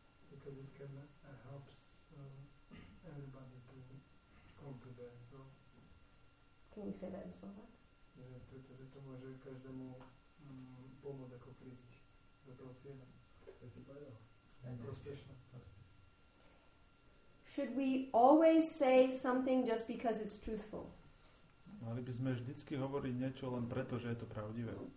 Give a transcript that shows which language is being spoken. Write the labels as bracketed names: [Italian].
[English] Because it can helps everybody to come to there. So can you say that in Slovak? [Slovak] Yeah, to može každému pomôcť ako prísť do toho cieľa. Prospešno. [English] Should we always say something just because it's truthful? [Slovak] Mali by sme vždycky hovoriť niečo len preto, že je to pravdivé.